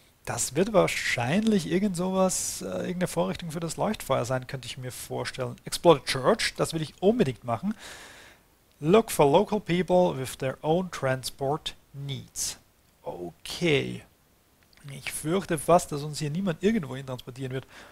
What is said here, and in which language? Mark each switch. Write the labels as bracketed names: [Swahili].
[German] Das wird wahrscheinlich irgend sowas, irgendeine Vorrichtung für das Leuchtfeuer sein, könnte ich mir vorstellen. [English] Explore the church, [German] das will ich unbedingt machen. [English] Look for local people with their own transport needs. Okay. [German] Ich fürchte fast, dass uns hier niemand irgendwo hin transportieren wird.